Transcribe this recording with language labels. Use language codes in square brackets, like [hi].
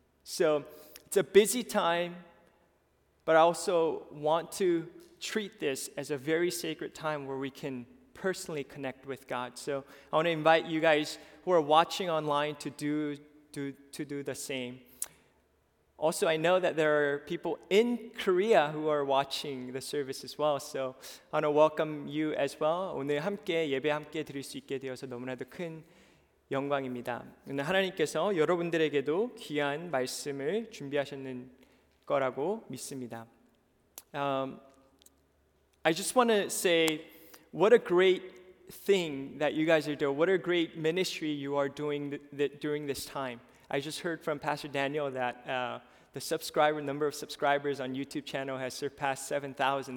[en] So it's a busy time, but I also want to treat this as a very sacred time where we can personally connect with God. So I want to invite you guys who are watching online to do the same. Also, I know that there are people in Korea who are watching the service as well. So I want to welcome you as well. [ko] 오늘 함께 예배 함께 드릴 수 있게 되어서 너무나도 큰 영광입니다. 오늘 하나님께서 여러분들에게도 귀한 말씀을 준비하셨는 거라고 믿습니다. [en] I just want to say, what a great thing that you guys are doing. What a great ministry you are doing during this time. I just heard from Pastor Daniel that the number of subscribers on YouTube channel has surpassed 7,000.